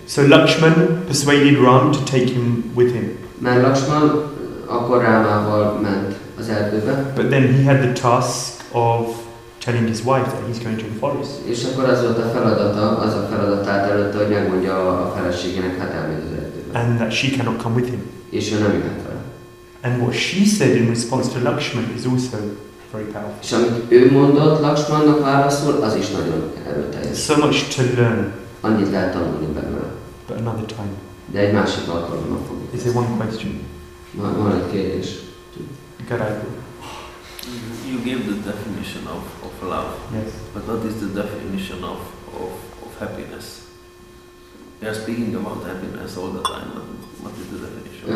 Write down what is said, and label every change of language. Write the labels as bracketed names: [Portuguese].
[English] So Lakshman persuaded Ram to take him with him. [Hungarian] Mert Lakshman akkor Rámával ment az erdőbe. [English] But then he had the task of telling his wife that he's going to the forest. [Hungarian] És akkor az volt a feladata, az a feladat állt előtte, hogy megmondja a feleségének, hát elmegy az erdőbe. [English] And that she cannot come with him. [Hungarian] És ő nem jöhet vele. [English] And what she said in response to Lakshman is also [Hungarian] és amit ő mondott, Lakshmannak válaszol, az is nagyon erőteljes. [English] So much to learn. [Hungarian] Annyit lehet tanulni belőle. [English] But another time. [Hungarian] De egy másik alkalommal fogjuk. [English] Is there one question? [Hungarian] Van egy kérdés. Garaipur. [English] You gave the definition of love. Yes. But what is the definition of happiness? We are speaking about happiness all the time, but what is the definition?